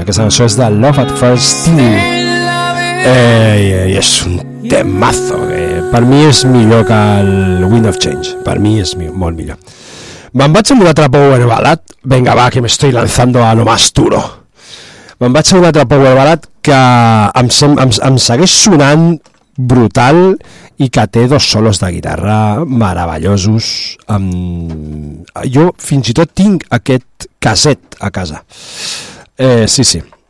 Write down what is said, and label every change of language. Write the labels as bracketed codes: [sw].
[ca] Aquesta cançó és de Love at First Teen. I és un temazo. Per mi és millor que el Wind of Change. Per mi és molt millor. Me'n vaig amb un altre power ballad. [es] Venga, va, que m'estoy lanzando a lo más duro. [ca] Me'n vaig amb un altre power ballad que em segueix sonant brutal i que té dos solos de guitarra meravellosos. Jo fins i tot tinc aquest caset a casa. Sí, sí.